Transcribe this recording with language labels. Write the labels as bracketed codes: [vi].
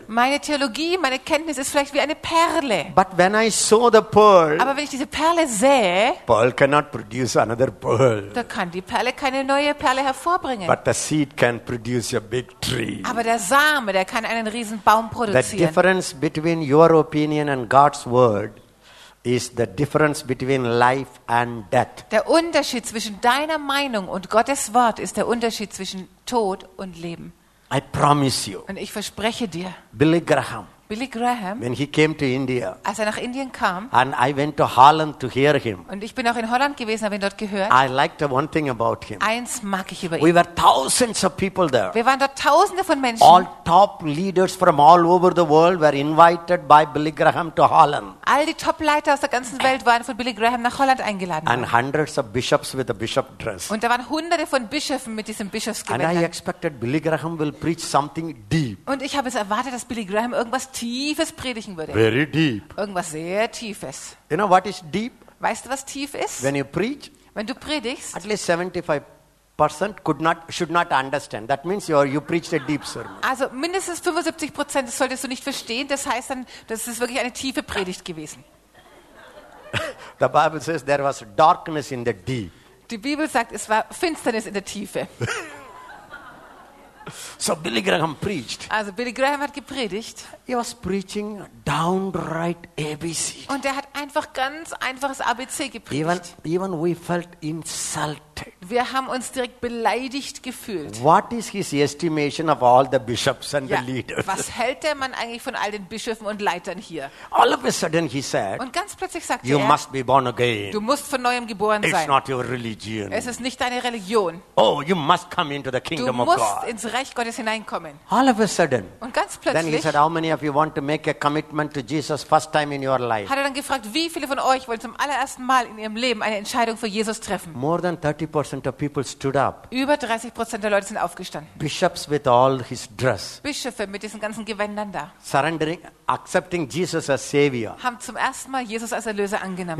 [de] Meine Theologie, meine Kenntnis ist vielleicht wie eine Perle. [en] But when I saw the pearl. [de] Aber wenn ich diese Perle sehe, [en] pearl cannot produce another pearl. [de] Da kann die Perle keine neue Perle hervorbringen. [en] But the seed can produce a big tree. [de] Aber der Same, der kann einen riesen Baum produzieren. [en] The difference between your opinion and God's word is the difference between life and death. [de] Der Unterschied zwischen deiner Meinung und Gottes Wort ist der Unterschied zwischen Tod und Leben. [en] I promise you. [de] Und ich verspreche dir. [en] Billy Graham. Billy Graham, when he came to India, [de] als er nach Indien kam, [en] and I went to Holland to hear him. [de] Und ich bin auch in Holland gewesen, habe ihn dort gehört. [en] I liked one thing about him. [de] Eins mag ich über [en] we [de] ihn. [en] We were thousands of people there. [de] Wir waren dort Tausende von Menschen. [en] All top leaders from all over the world were invited by Billy Graham to Holland. [de] All die Topleiter aus der ganzen Welt waren von Billy Graham nach Holland eingeladen. [en] And hundreds of bishops with a bishop dress. [de] Und da waren Hunderte von Bischöfen mit diesem Bischofsgewändern. [en] And I expected Billy Graham will preach something deep. [de] Und ich habe es erwartet, dass Billy Graham irgendwas tiefes predigen würde. [en] Very deep. [de] Irgendwas sehr tiefes. [en] You know what is deep? [de] Weißt du, was tief ist? [en] When you preach, [de] wenn du predigst, [en] at least 75% should not understand. That means you preached a deep sermon. [de] Also mindestens 75% solltest du nicht verstehen. Das heißt dann, das ist wirklich eine tiefe Predigt gewesen. [en] The Bible says there was darkness in the deep. [de] Die Bibel sagt, es war Finsternis in der Tiefe. [en] So Billy Graham preached. [de] Also Billy Graham hat gepredigt. [en] He was preaching downright ABC. [de] Und er hat einfach ganz einfaches ABC gepredigt. [en] Even we felt insulted. [de] Wir haben uns direkt beleidigt gefühlt. [en] What is his estimation of all the bishops and the leaders? [de] Was hält der Mann eigentlich von all den Bischöfen und Leitern hier? [en] All of a sudden he said. [de] Und ganz plötzlich sagte [en] you [de] er. [en] You must be born again. [de] Du musst von neuem geboren sein. [en] It's not your religion. [de] Es ist nicht deine Religion. [en] Oh, you must come into the kingdom of God. [de] Du musst ins Reich Gottes hineinkommen. [en] All of a sudden. [de] Und ganz plötzlich. [en] Then he said, how many of you want to make a commitment to Jesus first time in your life? [de] Hat er dann gefragt, wie viele von euch wollen zum allerersten Mal in ihrem Leben eine Entscheidung für Jesus treffen? [en] More than 30% of people stood up. [de] Über 30% der Leute sind aufgestanden. [en] Bishops with all his dress. [de] Bischöfe mit diesen ganzen Gewändern da. [en] Surrendering, accepting Jesus as Savior. [de] Haben zum ersten Mal Jesus als Erlöser angenommen.